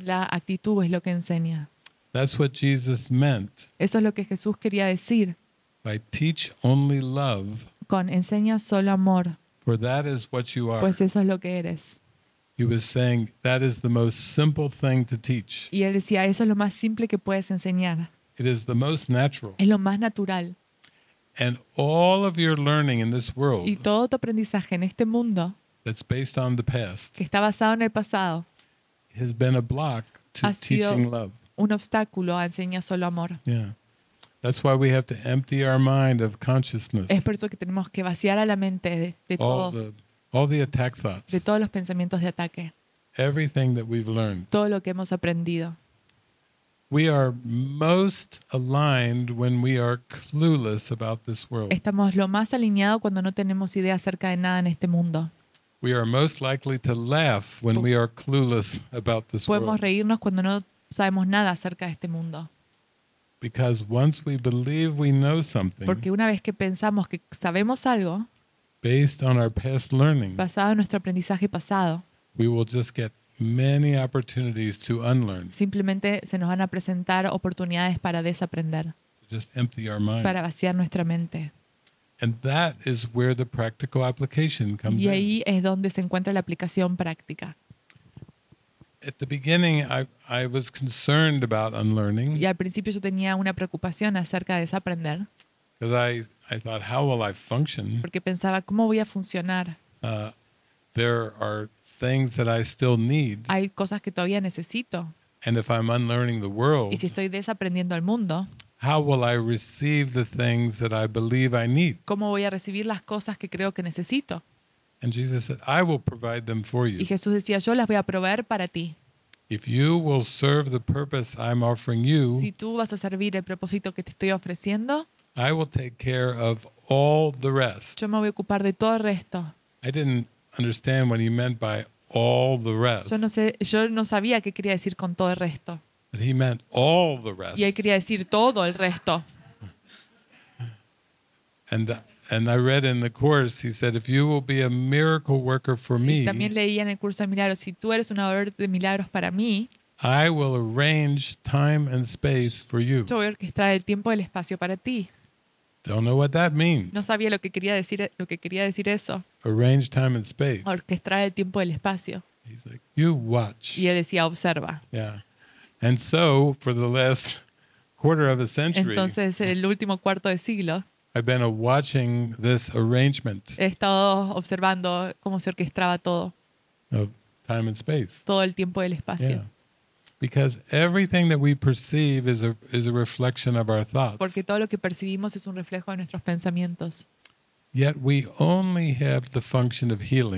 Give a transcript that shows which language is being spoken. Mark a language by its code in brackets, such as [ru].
[es] La actitud es lo que enseña. [en] That's what Jesus meant. [es] Eso es lo que Jesús quería decir. [en] By teach only love. [es] Con enseña solo amor. [en] For that is what you are. [es] Pues eso es lo que eres. [en] He was saying that is the most simple thing to teach. [es] Y él decía eso es lo más simple que puedes enseñar. [en] It is the most natural. [es] Es lo más natural. [en] And all of your learning in this world. [es] Y todo tu aprendizaje en este mundo. [en] That's based on the past. [es] Que está basado en el pasado. [en] Has been a block to teaching love. [es] Ha sido un obstáculo a enseñar solo amor. Yeah. [en] That's why we have to empty our mind of consciousness. [es] Es por eso que tenemos que vaciar a la mente de todo. [en] All the attack thoughts. [es] De todos los pensamientos de ataque. [en] Everything that we've learned. [es] Todo lo que hemos aprendido. [en] We are most aligned when we are clueless about this world. [es] Estamos lo más alineado cuando no tenemos idea acerca de nada en este mundo. [en] We are most likely to laugh when we are clueless about this world. [es] Podemos reírnos cuando no sabemos nada acerca de este mundo. [en] Because once we believe we know something. [es] Porque una vez que pensamos que sabemos algo. [en] Based on our past learning. [es] Basado en nuestro aprendizaje pasado. [en] We will just get many opportunities to unlearn. [es] Simplemente se nos van a presentar oportunidades para desaprender. [en] Just empty our mind. [es] Para vaciar nuestra mente. [en] And that is where the practical application comes in. [es] Y ahí es donde se encuentra la aplicación práctica. [en] At the beginning, I was concerned about unlearning. [es] Y al principio yo tenía una preocupación acerca de desaprender. [en] Because I thought, how will I function? [es] Porque pensaba cómo voy a funcionar. [en] There are things that I still need. [es] Hay cosas que todavía necesito. [en] And if I'm unlearning the world, [es] y si estoy desaprendiendo el mundo, [en] how will I receive the things that I believe I need? [es] ¿Cómo voy a recibir las cosas que creo que necesito? [en] And Jesus said, I will provide them for you. [es] Y Jesús decía, yo las voy a proveer para ti. [en] If you will serve the purpose I'm offering you, [es] si tú vas a servir el propósito que te estoy ofreciendo, [en] I will take care of all the rest. [es] Yo me voy a ocupar de todo el resto. [en] I didn't understand what he meant by all the rest. [es] Yo no sabía qué quería decir con todo el resto. [en] But he meant all the rest. [es] Y él quería decir todo el resto. [en] And I read in the course, he said, if you will be a miracle worker for me. [es] Y también leí en el curso de milagros, si tú eres un obrero de milagros para mí. [en] I will arrange time and space for you. [es] Yo voy a orquestar el tiempo y el espacio para ti. [en] Don't know what that means. [es] No sabía lo que quería decir eso. [en] Arrange time and space. [es] Orquestar el tiempo y el espacio. [en] He's like, you watch. [es] Y él decía, observa. Yeah. [en] And so, for the last quarter of a century. [es] Entonces, el último cuarto de siglo. [en] I've been watching this arrangement. [es] He estado observando cómo se orquestaba todo. [en] Of time and space. [es] Todo el tiempo y el espacio. Yeah. [en] Because everything that we perceive is a reflection of our thoughts. [es] Porque todo lo que percibimos es un reflejo de nuestros pensamientos. [en] Yet we only have the function of healing.